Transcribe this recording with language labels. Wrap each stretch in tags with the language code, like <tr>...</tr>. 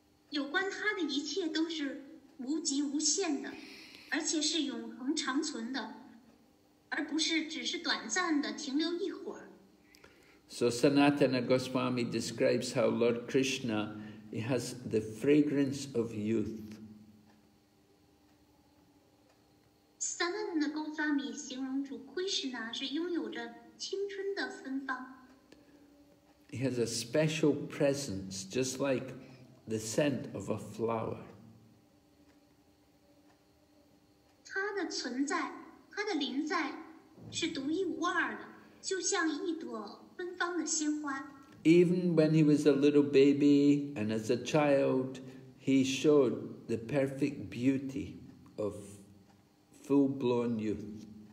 <zh>有关他的一切都是无极无限的。而且是永恒长存的，而不是只是短暂的停留一会儿。</zh> <en>So Sanatana Goswami describes how Lord Krishna he has the fragrance of youth.</en> <zh>Sanatana Goswami 形容主 Krishna 是拥有着青春的芬芳。</zh> <en>He has a special presence, just like the scent of a flower.</en> <zh>他的存在，他的临在。是独一无二的，就像一朵芬芳的鲜花。</zh> <en>Even when he was a little baby and as a child, he showed the perfect beauty of full-blown youth.</en>